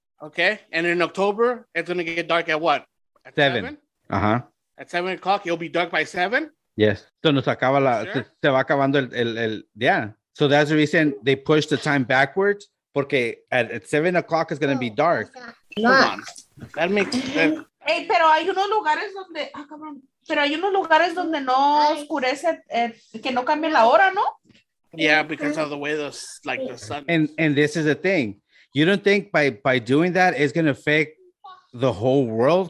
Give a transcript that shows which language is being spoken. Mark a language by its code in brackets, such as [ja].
[en] Okay, and in October, it's gonna get dark at what? At 7. Uh-huh. At 7 o'clock, it'll be dark by 7? [es] Yes. Entonces se acaba la, sure? Se va acabando el yeah. [en] So that's the reason they push the time backwards, porque at 7 o'clock it's going to be dark. Hold on. That makes sense. [es] Hey, pero hay unos lugares donde, cabrón. Pero hay unos lugares donde no oscurece, que no cambia la hora, ¿no? [en] Yeah, because of the way the sun. And this is the thing. You don't think by doing that is going to affect the whole world?